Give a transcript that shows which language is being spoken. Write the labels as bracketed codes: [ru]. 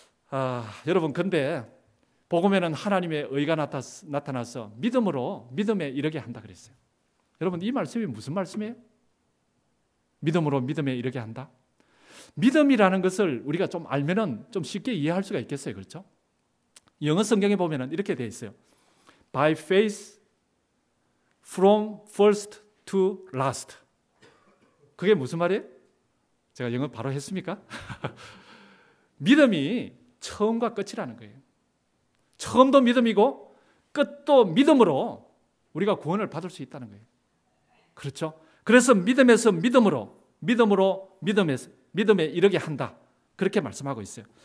[ko] 아, 여러분, 근데 복음에는 하나님의 의가 나타나서 믿음으로 믿음에 이르게 한다 그랬어요. 여러분, 이 말씀이 무슨 말씀이에요? 믿음으로 믿음에 이르게 한다? 믿음이라는 것을 우리가 좀 알면은 좀 쉽게 이해할 수가 있겠어요. 그렇죠? 영어 성경에 보면은 이렇게 되어 있어요. [en] By faith from first to last. [ko] 그게 무슨 말이에요? 제가 영어 바로 했습니까? 믿음이 처음과 끝이라는 거예요. 처음도 믿음이고 끝도 믿음으로 우리가 구원을 받을 수 있다는 거예요. 그렇죠? 그래서 믿음에서 믿음으로, 믿음으로 믿음에서 믿음에 이르게 한다. 그렇게 말씀하고 있어요.